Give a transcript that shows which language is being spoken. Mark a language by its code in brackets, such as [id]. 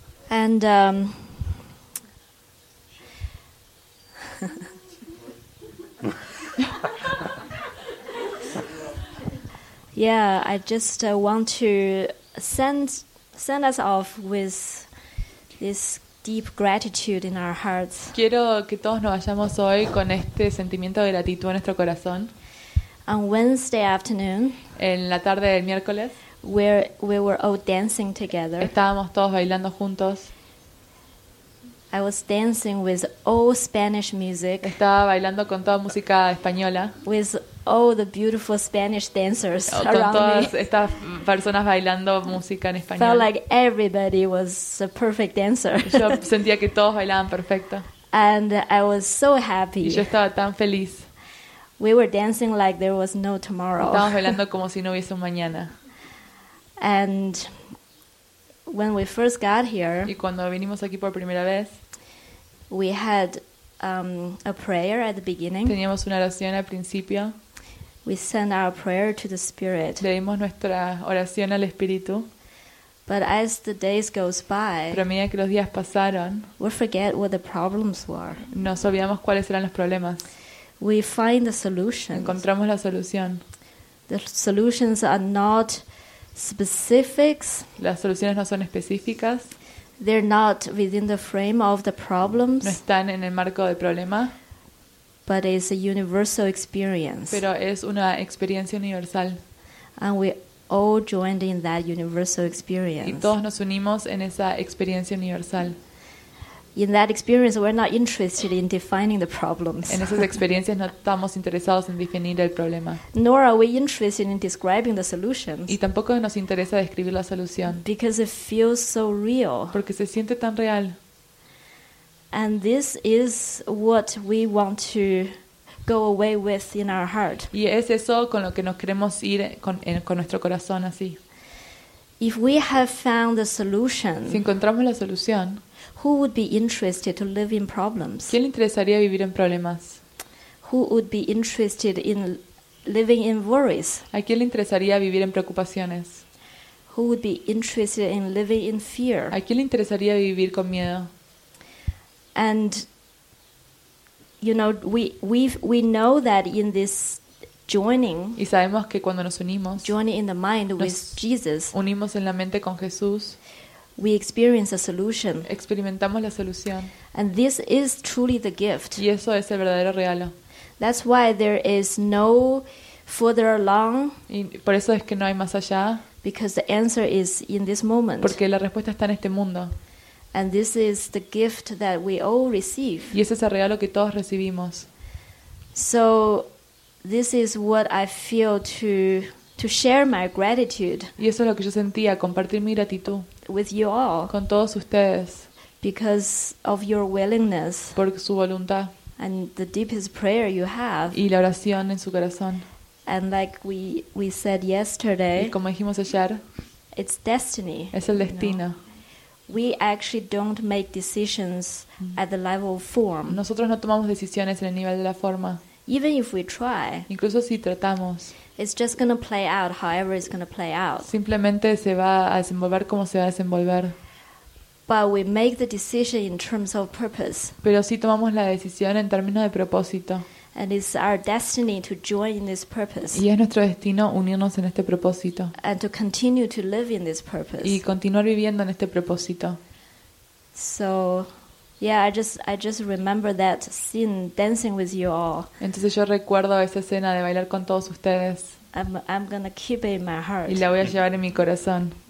[en] And yeah, I just want to send us off with this deep gratitude in our hearts. [es] Quiero que todos nos vayamos hoy con este sentimiento de gratitud en nuestro corazón. [en] On Wednesday afternoon, [es] en la tarde del miércoles, [en] where we were all dancing together. [es] Estábamos todos bailando juntos. [en] I was dancing with all Spanish music. [es] Estaba bailando con toda música española. [en] With all the beautiful Spanish dancers around me. [es] Con todas estas personas bailando música en español. [en] Felt like everybody was a perfect dancer. [es] Yo sentía que todos bailaban perfecto. [en] And I was so happy. [es] Y yo estaba tan feliz. [en] We were dancing like there was no tomorrow. [es] Estábamos bailando como si no hubiese un mañana. [en] And when we first got here, [es] y cuando vinimos aquí por primera vez, [en] we had a prayer at the beginning. [es] Teníamos una oración al principio. [en] We sent our prayer to the Spirit. [es] Leímos nuestra oración al Espíritu. [en] But as the days goes by, [es] pero a medida que los días pasaron, [en] we forget what the problems were. [es] Nos olvidamos cuáles eran los problemas. [en] We find the solution. [es] Encontramos la solución. [en] The solutions are not specifics. [es] Las soluciones no son específicas. [en] They're not within the frame of the problems. [es] No están en el marco del problema. [en] But it's a universal experience. [es] Pero es una experiencia universal. [en] And we all joined in that universal experience. [es] Y todos nos unimos en esa experiencia universal. [en] In that experience, we're not interested in defining the problems. [es] En esas experiencias no estamos interesados en definir el problema. [en] Nor are we interested in describing the solutions. [es] Y tampoco nos interesa describir la solución. [en] Because it feels so real. [es] Porque se siente tan real. [en] And this is what we want to go away with in our heart. [es] Y es eso con lo que nos queremos ir con nuestro corazón así. [en] If we have found the solution, [es] si encontramos la solución, [en] who would be interested to live in problems? [es] ¿Quién le interesaría vivir en problemas? [en] Who would be interested in living in worries? [es] ¿A quién le interesaría vivir en preocupaciones? [en] Who would be interested in living in fear? [es] ¿A quién le interesaría vivir con miedo? [en] And you know, we know that in this joining, [es] y sabemos que cuando nos unimos, [en] joining in the mind with Jesus, [es] unimos en la mente con Jesús, [en] we experience a solution. [es] Experimentamos la solución. [en] And this is truly the gift. [es] Y eso es el verdadero regalo. [en] That's why there is no further along. [es] Y por eso es que no hay más allá. [en] Because the answer is in this moment. [es] Porque la respuesta está en este mundo. [en] And this is the gift that we all receive. [es] Y ese es el regalo que todos recibimos. [en] So this is what I feel to share my gratitude. [es] Y eso es lo que yo sentía, compartir mi gratitud. [en] With you all. [es] Con todos ustedes. [en] Because of your willingness. [es] Por su voluntad. [en] And the deepest prayer you have. [es] Y la oración en su corazón. [en] And like we said yesterday. [es] Y como dijimos ayer. [en] It's destiny. [es] Es el destino. [en] You know? We actually don't make decisions at the level of form. [es] Nosotros no tomamos decisiones en el nivel de la forma. [en] Even if we try. [es] Incluso si tratamos. [en] It's just going to play out however it's going to play out. [es] Simplemente se va a desenvolver como se va a desenvolver. [en] But we make the decision in terms of purpose. [es] Pero sí tomamos la decisión en términos de propósito. [en] And it's our destiny to join in this purpose. [es] Y es nuestro destino unirnos en este propósito. [en] And to continue to live in this purpose. [es] Y continuar viviendo en este propósito. [en] So, yeah, I just remember that scene dancing with you all. [es] Entonces yo recuerdo esa escena de bailar con todos ustedes. [en] I'm gonna keep it in my heart. [es] Y la voy a llevar en mi corazón.